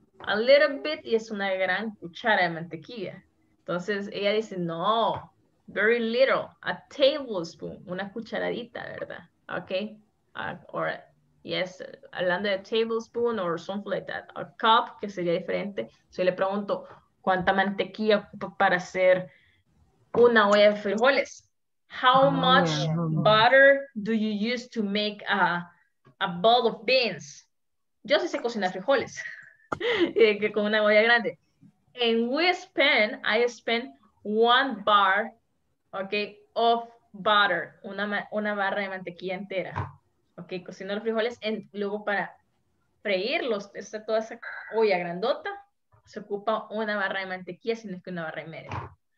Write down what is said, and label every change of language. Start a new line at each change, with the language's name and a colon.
English: A little bit
Spanish: y es una gran cuchara de mantequilla. Entonces ella dice, no,
English: very little, a tablespoon,
Spanish: una cucharadita, ¿verdad? Ok.
English: Or, yes,
Spanish: hablando de
English: tablespoon or something like that. A cup,
Spanish: que sería diferente. Si le pregunto, ¿cuánta mantequilla para hacer una olla de frijoles?
English: How much butter do you use to make a bowl of beans?
Spanish: Yo sí sé cocinar frijoles que con una olla grande.
English: And we spend, I spend one bar, okay, of butter,
Spanish: una barra de mantequilla entera. Okay, cocino los frijoles y luego para freírlos, toda esa olla grandota, se ocupa una barra de mantequilla, sino que una barra y media.